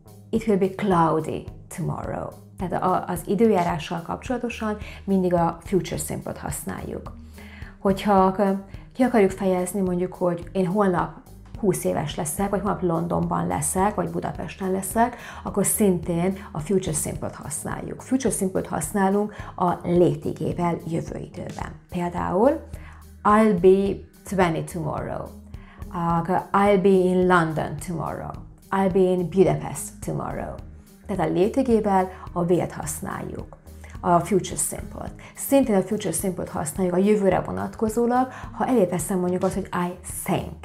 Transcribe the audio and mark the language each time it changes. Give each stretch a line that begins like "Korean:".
English: It will be cloudy tomorrow.
Hungarian: Tehát az időjárással kapcsolatosan mindig a future simple-t használjuk. Hogyha ki akarjuk fejezni, mondjuk, hogy én holnap 20 éves leszek, vagy holnap Londonban leszek, vagy Budapesten leszek, akkor szintén a future simple-t használjuk. Future simple-t használunk a létigével, jövő időben.
English: Például, I'll be 20 tomorrow. I'll be in London tomorrow. I'll be in Budapest tomorrow.
Hungarian: Tehát a létigével a will-t használjuk. A future simple-t. Szintén a future simple-t használjuk a jövőre vonatkozólag, ha elé teszem mondjuk azt, hogy
English: I think.